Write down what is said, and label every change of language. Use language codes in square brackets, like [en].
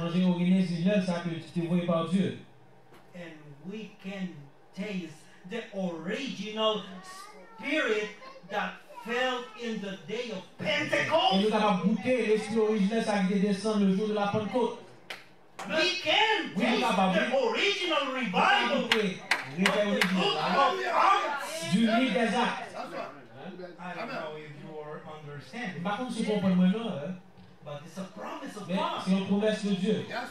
[fr] Manger original, ça que tu t'envoies par Dieu. [en] And we can taste the original spirit that fell in the day of Pentecost. [fr] Et nous allons goûter l'esprit original, ça qui descend le jour de la Pentecôte. [en] We can taste the original revival of the book of Acts. I don't know if you are understanding. But it's a promise of God. [fr] C'est une promesse de Dieu.